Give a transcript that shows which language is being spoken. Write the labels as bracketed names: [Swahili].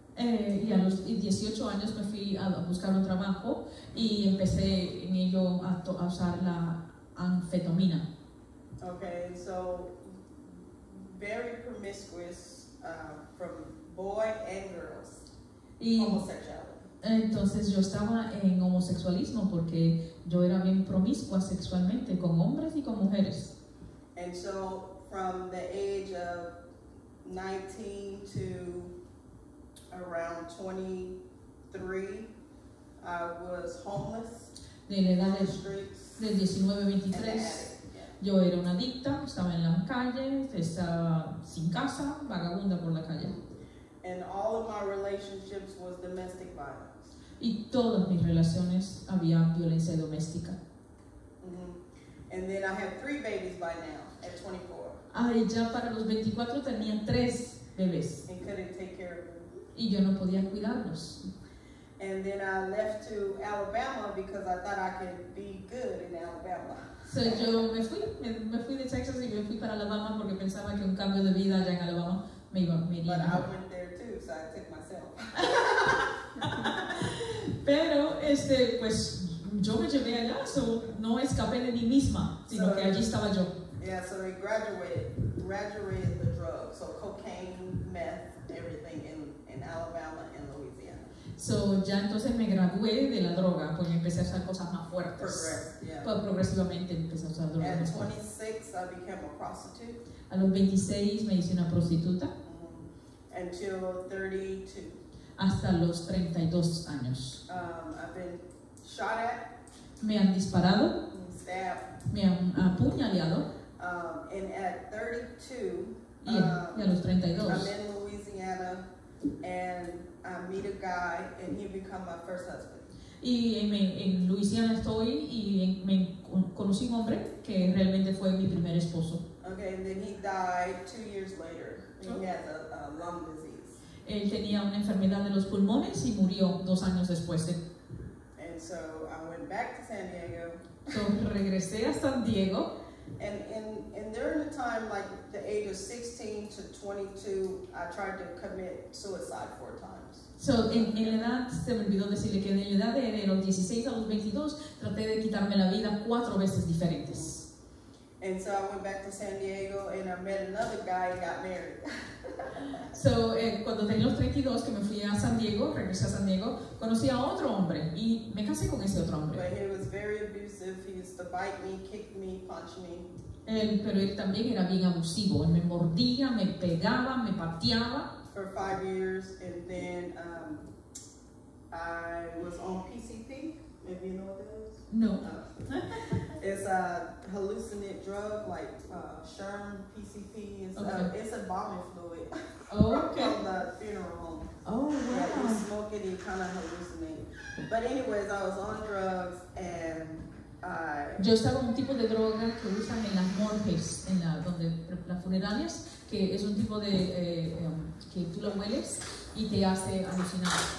[Spanish] Y a los 18 años me fui a buscar un trabajo y empecé en ello a usar la anfetamina. [English] Okay, so very promiscuous from boy and girls. [Spanish] Y entonces yo estaba en homosexualismo porque yo era bien promiscua sexualmente con hombres y con mujeres. [English] And so from the age of 19 to around 23, I was homeless. [Spanish] De la edad de 19, 23 Yo era una adicta, estaba en la calle, estaba sin casa, vagabunda por la calle. [English] And all of my relationships was domestic violence. [Spanish] Y todas mis relaciones había violencia doméstica. [English] And then I had 3 babies by now at 24. [Spanish] Ay, ya para los 24 tenía 3 bebés. [English] And couldn't take care of them. [Spanish] Y yo no podía cuidarlos. [English] And then I left to Alabama because I thought I could be good in Alabama. [Spanish] So yo me fui de Texas y me fui para Alabama porque pensaba que un cambio de vida allá en Alabama me iba a venir. [English] But I went there too, so I took myself. [Spanish] Pero pues yo me llevé allá, so no escapé de mí misma, sino que allí estaba yo. [English] Yeah, so they graduated the drug, so cocaine, meth, everything in Alabama and Louisiana. [Spanish] So ya entonces me gradué de la droga, porque empecé a usar cosas más fuertes. Progresivamente empecé a usar drogas más fuertes. [English] At 26, I became a prostitute. [Spanish] A los 26 me hice una prostituta. [English] Until 32. [Spanish] Hasta los 32 años. [English] I've been shot at. [Spanish] Me han disparado. [English] Stabbed. [Spanish] Me han apuñaleado. [English] And at 32, [Spanish] y a los 32, [English] I'm in Louisiana and I meet a guy and he become my first husband. [Spanish] Y en Louisiana estoy y me conocí un hombre que realmente fue mi primer esposo. [English] Okay, and then he died 2 years later. Oh. He has a lung disease. [Spanish] Él tenía una enfermedad de los pulmones y murió 2 años después. [English] And so I went back to San Diego. [Spanish] So regresé a San Diego. [English] And during the time, like the age of 16 to 22, I tried to commit suicide 4 times. [Spanish] So en la edad, se me olvidó decirle que en la edad de los 16 a los 22, traté de quitarme la vida 4 veces diferentes. [English] And so I went back to San Diego and I met another guy and got married. [Spanish] So, cuando tenía los 32, que me fui a San Diego, regresé a San Diego, conocí a otro hombre y me casé con ese otro hombre. [English] But he was very abusive. He used to bite me, kick me, punch me. Pero él también era bien abusivo. Él me mordía, me pegaba, me pateaba. For 5 years and then I was on PCP. If you know what that is? No. It's a hallucinogenic drug like Sherm, PCP. It's a vomit fluid. Oh, okay. From the funeral home. Oh, wow. Yeah. Like, you smoke it, you kind of hallucinate. But anyways, I was on drugs and [Spanish] yo estaba en un tipo de droga que usan en las morgues, donde las funerarias, que es un tipo de que tú lo hueles y te hace alucinar.